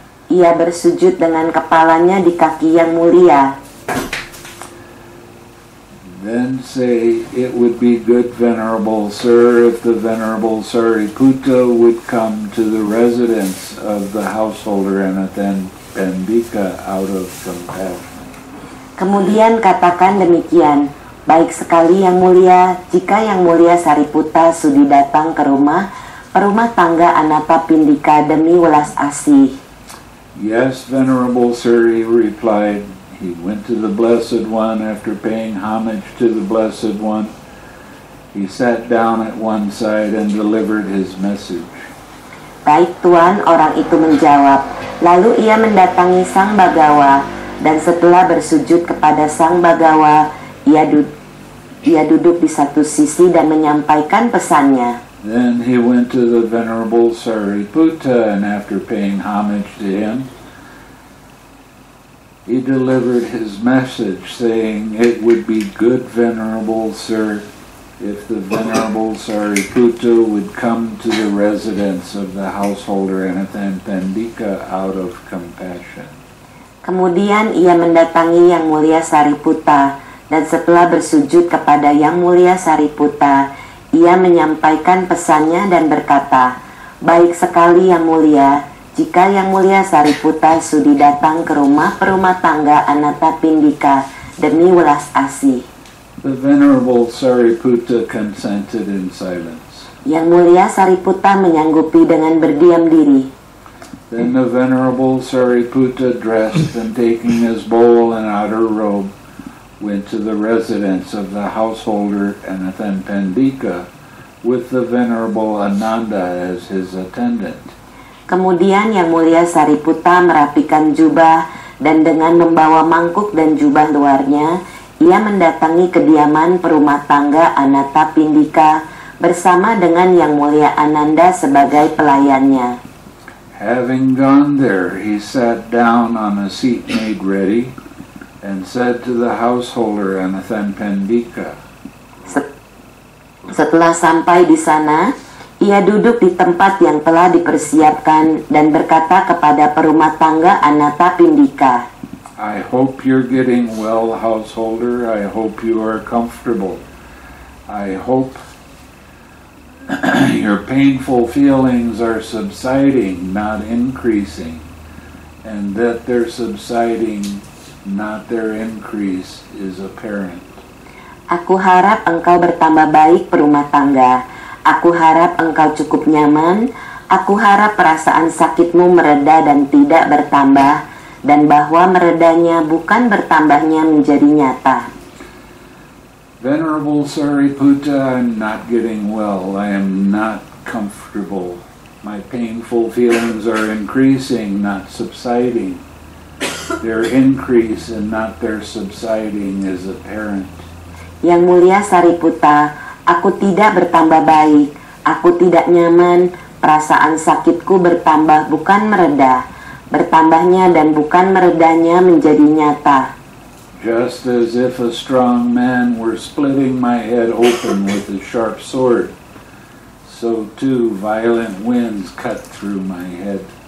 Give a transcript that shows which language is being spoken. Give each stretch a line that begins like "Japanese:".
Indonesian: Ia bersujud dengan kepalanya di kaki Yang Mulia.
English: Then say, it would be good, Venerable Sir, if the Venerable Sariputta would come to the residence of the householder Anathan Pandika out of compassion.
Indonesian: Kemudian katakan demikian, baik sekali Yang Mulia, jika Yang Mulia Sariputta sudi datang ke perumah tangga Anatta Pindika demi welas asih.
English: Yes, Venerable Sir, he replied. He went to the Blessed One after paying homage to the Blessed One. He sat down at one side and delivered his message.
Indonesian: Baik Tuan, orang itu menjawab. Lalu ia mendatangi Sang Bhagawa dan setelah bersujud kepada Sang Bhagawa, ia duduk di satu sisi dan menyampaikan pesannya.
English: Then he went to the Venerable Sariputta and after paying homage to him, he delivered his message saying, it would be good, Venerable Sir, if the Venerable Sariputta would come to the residence of the householder Anathan Pandika out of compassion.
Indonesian: Kemudian ia mendatangi Yang Mulia Sariputta, dan setelah bersujud kepada Yang Mulia Sariputta, ia menyampaikan pesannya dan berkata, baik sekali Yang Mulia, jika Yang Mulia Sariputta sudi datang ke perumah tangga Anatta Pindika demi welas asih.
English: The Venerable Sariputta consented in silence.
Indonesian: Yang Mulia Sariputta menyanggupi dengan berdiam diri.
English: Then the Venerable Sariputta dressed and taking his bowl and outer robe went to the residence of the householder Anatta Pindika with the Venerable Ananda as his attendant.
Indonesian: Kemudian Yang Mulia Sariputta merapikan jubah dan dengan membawa mangkuk dan jubah luarnya, ia mendatangi kediaman perumah tangga Anatta Pindika bersama dengan Yang Mulia Ananda sebagai pelayannya.
English: Having gone there, he sat down on a seat made ready. and said to the householder Anathanpendika.
Indonesian: Setelah sampai di sana, ia duduk di tempat yang telah dipersiapkan dan berkata kepada perumah tangga Anathapindika.
English: I hope you're getting well, householder. I hope you are comfortable. I hope your painful feelings are subsiding, not increasing, and that their subsiding, not their increase, is apparent.
Indonesian: Aku harap engkau bertambah baik, perumah tangga. Aku harap engkau cukup nyaman. Aku harap perasaan sakitmu mereda dan tidak bertambah, dan bahwa meredanya bukan bertambahnya menjadi nyata.
English: Venerable Sariputta, I'm not getting well. I am not comfortable. My painful feelings are increasing, not subsiding. Their increase and not their subsiding is apparent.
Indonesian: Yang mulia Sariputta, aku tidak bertambah baik. Aku tidak nyaman. Perasaan sakitku bertambah bukan mereda. Bertambahnya dan bukan meredanya menjadi nyata.
English: Just as if a strong man were splitting my head open with a sharp sword, so too violent winds cut through my head.